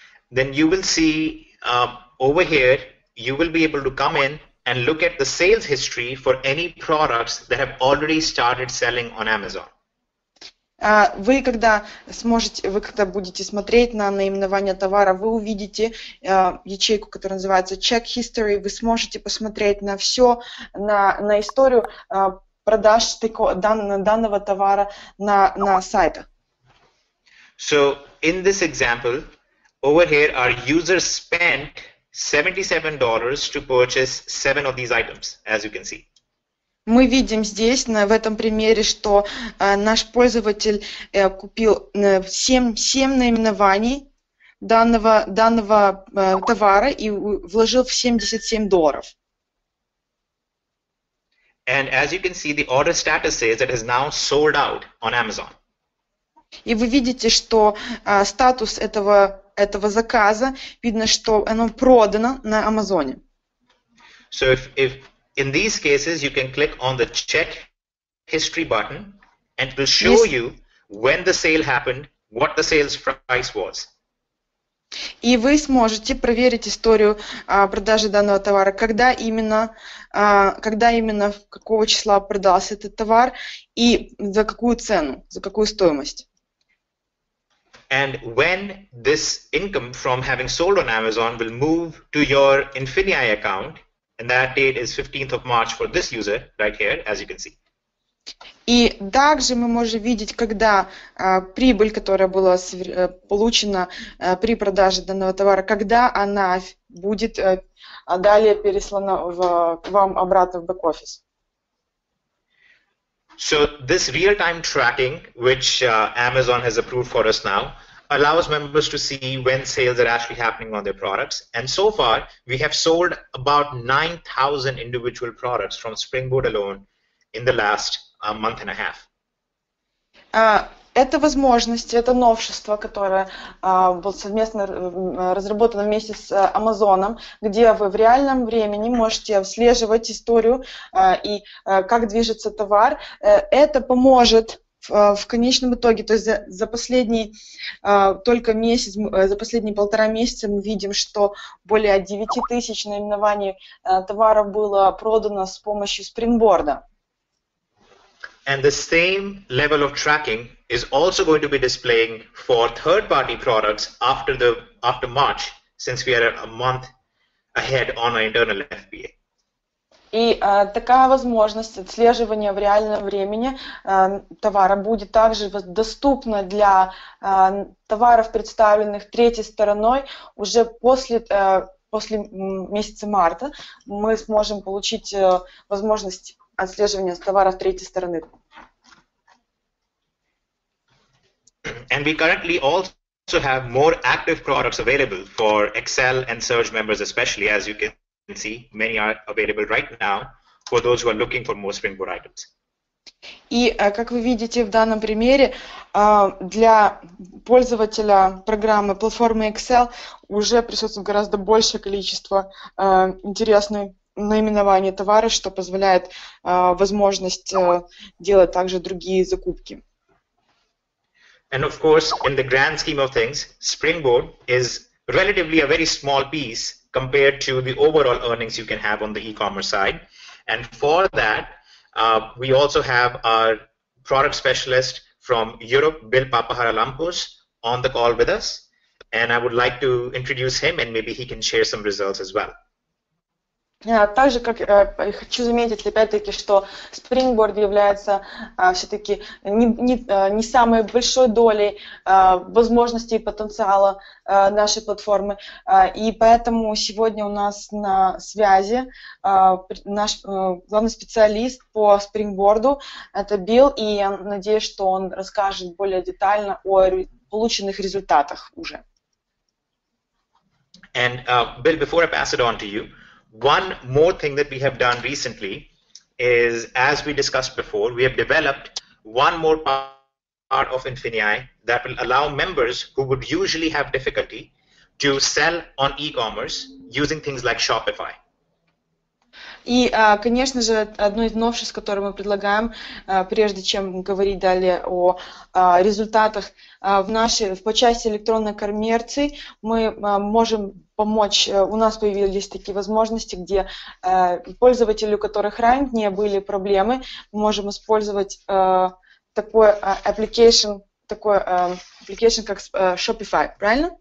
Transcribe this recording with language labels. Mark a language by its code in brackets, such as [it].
[en] then you will see over here, you will be able to come in and look at the sales history for any products that have already started selling on Amazon. [ru] Вы когда сможете, вы когда будете смотреть на наименование товара, вы увидите ячейку, которая называется Check History, вы сможете посмотреть на все, на историю продаж данного товара на сайтах. [en] So, in this example, over here our users spent $77 to purchase 7 of these items, as you can see. [ru] Мы видим здесь, в этом примере, что наш пользователь купил 7 наименований данного товара и вложил в $77. [en] And as you can see, the order status says it has now sold out on Amazon. [ru] И вы видите, что статус этого заказа, видно, что оно продано на Амазоне. [en] So if in these cases, you can click on the Check History button, and it will show you when the sale happened, what the sales price was. [ru] И вы сможете проверить историю продажи данного товара, когда именно, какого числа продался этот товар, и за какую цену, за какую стоимость. [en] And when this income from having sold on Amazon will move to your Infinii account, and that date is 15th of March for this user right here, as you can see. [ru] И также мы можем видеть, когда прибыль, которая была получена при продаже данного товара, когда она будет далее переслана вам обратно в бэк-офис. [en] So this real-time tracking, which Amazon has approved for us now, allows members to see when sales are actually happening on their products. And so far, we have sold about 9,000 individual products from Springboard alone in the last month and a half. [ru] Это возможность, это новшество, которое было совместно разработано вместе с Амазоном, где вы в реальном времени можете отслеживать историю и как движется товар. Это поможет в конечном итоге, то есть за последний только месяц, за последние полтора месяца мы видим, что более 9000 наименований товаров было продано с помощью Springboard. [en] And the same level of tracking is also going to be displaying for third-party products after March, since we are a month ahead on our internal FBA. [ru] И такая возможность отслеживания в реальном времени товара будет также доступна для товаров, представленных третьей стороной, уже после месяца марта мы сможем получить возможность отслеживания товаров третьей стороны. [en] And we currently also have more active products available for Excel and Surge members especially, as you can see, many are available right now for those who are looking for more Springboard items. [ru] И как вы видите в данном примере, для пользователя программы платформы Excel уже присутствует гораздо большее количество интересных наименований товара, что позволяет возможность делать также другие закупки. [en] And of course, in the grand scheme of things, Springboard is relatively a very small piece compared to the overall earnings you can have on the e-commerce side. And for that, we also have our product specialist from Europe, Bill Papaharalampos, on the call with us. And I would like to introduce him, and maybe he can share some results as well. [ru] Также как хочу заметить опять-таки, что Springboard является все-таки не самой большой долей возможностей и потенциала нашей платформы. И поэтому сегодня у нас на связи наш главный специалист по Springboard, это Билл, и я надеюсь, что он расскажет более детально о полученных результатах уже. [en] And Bill, before I pass it on to you, one more thing that we have done recently is, as we discussed before, we have developed one more part of Infinii that will allow members who would usually have difficulty to sell on e-commerce using things like Shopify. [ru] И, конечно же, одно из новшеств, которое мы предлагаем, прежде чем говорить далее о результатах по части электронной коммерции, мы можем помочь. У нас появились такие возможности, где пользователи, у которых ранее были проблемы, мы можем использовать такой application, такой application, как Shopify, правильно?